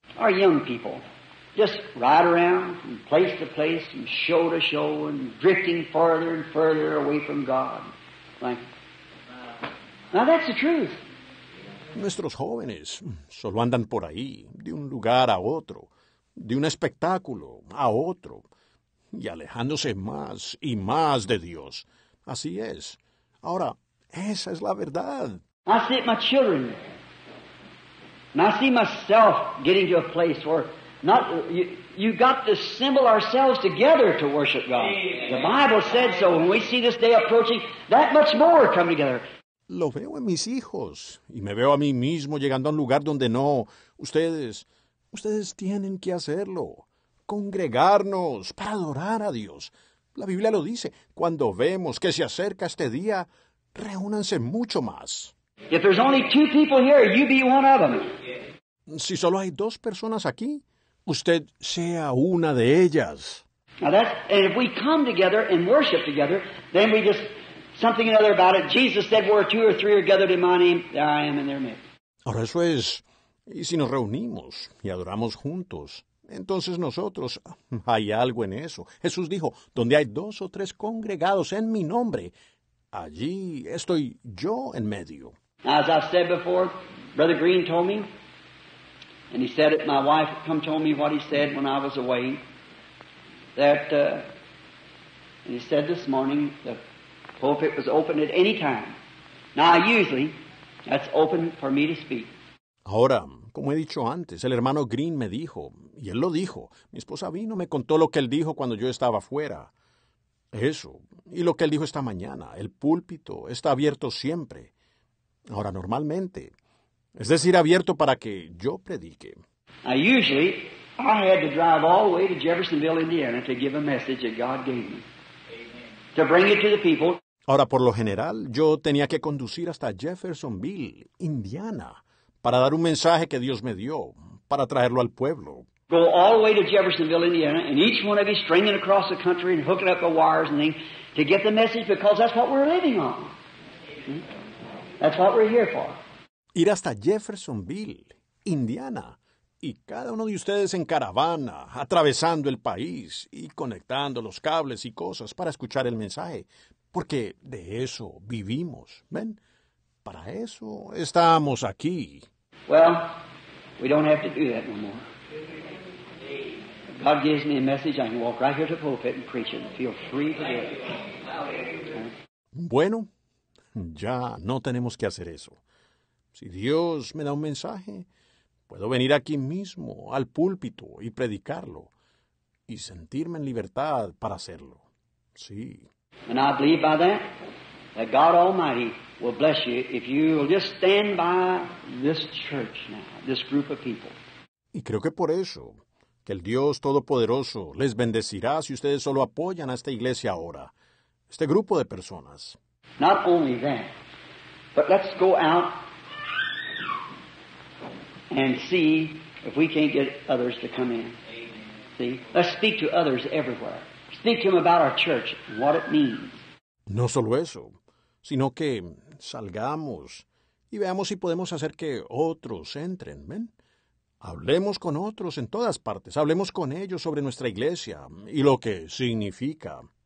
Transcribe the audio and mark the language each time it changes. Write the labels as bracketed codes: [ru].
[en] Our young people just ride around from place to place, from show to show, and drifting farther and further away from God. Now that's the truth. [es] Nuestros jóvenes solo andan por ahí, de un lugar a otro. De un espectáculo a otro, y alejándose más y más de Dios. Así es. Ahora, esa es la verdad. [en] I see my children. And I see myself getting to a place where not you got to assemble ourselves together to worship God. The Bible said so. When we see this day approaching, that much more come together. [es] Lo veo en mis hijos, y me veo a mí mismo llegando a un lugar donde no, ustedes... Ustedes tienen que hacerlo, congregarnos para adorar a Dios. La Biblia lo dice, cuando vemos que se acerca este día, reúnanse mucho más. [en] If there's only two people here, you be one of them. [es] Si solo hay 2 personas aquí, usted sea una de ellas. [en] Now that's, and if we come together and worship together, then we just, something another about it. Jesus said, where two or three are gathered in my name, there I am in their midst. [es] Ahora eso es... Y si nos reunimos y adoramos juntos, Entonces nosotros, hay algo en eso. Jesús dijo, donde hay dos o tres congregados en mi nombre, allí estoy yo en medio. [en] As I said before, Brother Green told me, and he said it, my wife come told me what he said when I was away, that, and he said this morning, the pulpit was open at any time. Now, usually, that's open for me to speak. [es] Ahora, como he dicho antes, el hermano Green me dijo, y él lo dijo, mi esposa vino, me contó lo que él dijo cuando yo estaba afuera. Eso, y lo que él dijo esta mañana, el púlpito está abierto siempre. Ahora, normalmente, es decir, abierto para que yo predique. [en] Now, usually, I had to drive all the way to Jeffersonville, Indiana, to give a message that God gave me. To bring it to the people. [es] Ahora, por lo general, yo tenía que conducir hasta Jeffersonville, Indiana, para dar un mensaje que Dios me dio, para traerlo al pueblo. [en] Go all the way to Jeffersonville, Indiana, and each one of you stringing across the country and hooking up the wires and things to get the message, because that's what we're living on. That's what we're here for. [es] Ir hasta Jeffersonville, Indiana, y cada uno de ustedes en caravana, atravesando el país y conectando los cables y cosas para escuchar el mensaje, porque de eso vivimos, ¿ven? Para eso estamos aquí. [en] Well, we don't have to do that no more. God gives me a message, I can walk right here to the pulpit and preach it and feel free to do it. [es] Bueno, ya no tenemos que hacer eso. Si Dios me da un mensaje, puedo venir aquí mismo, al púlpito, y predicarlo, y sentirme en libertad para hacerlo. Sí. [en] And I believe by that, that God Almighty will bless you if you will just stand by this church now, this group of people. [es] Y creo que por eso, que el Dios Todopoderoso les bendecirá si ustedes solo apoyan a esta iglesia ahora, este grupo de personas. [en] Not only that, but let's go out and see if we can't get others to come in. See? Let's speak to others everywhere. Speak to them about our church and what it means. [es] No solo eso, sino que salgamos y veamos si podemos hacer que otros entren, ¿ven? Hablemos con otros en todas partes. Hablemos con ellos sobre nuestra iglesia y lo que significa.